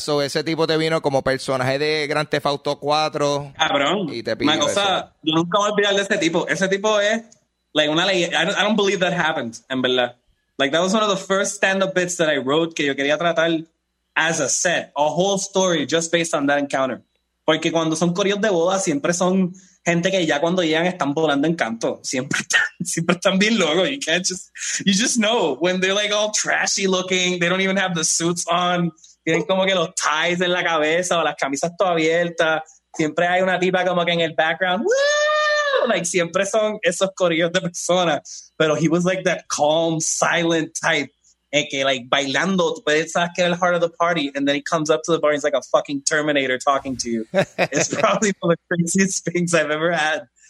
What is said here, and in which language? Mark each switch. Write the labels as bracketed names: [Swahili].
[Spanish] So, ese tipo te vino como personaje de Grand Theft Auto 4. Cabrón. Y te pidió. Una cosa, yo nunca voy a olvidar de ese tipo. Ese tipo es, like, una leyenda. [English] I don't believe that happened, [Spanish] en verdad. [English] Like, that was one of the first stand-up bits that I wrote [Spanish] que yo quería tratar [English] as a set. A whole story just based on that encounter. [Spanish] Porque cuando son corridos de boda, siempre son gente que ya cuando llegan están volando en canto. Siempre están bien locos. [English] You just know when they're like all trashy looking, they don't even have the suits on. [Spanish] Tienen como que los ties en la cabeza o las camisas todas abiertas. Siempre hay una tipa como que en el background. ¡Woo! Like siempre son esos corridos de personas. [English] Pero he was like that calm, silent type. And que like bailando, but it's not getting the heart of the party. And then he comes up to the bar and he's like a fucking Terminator talking to you. It's probably one of the craziest things I've ever had.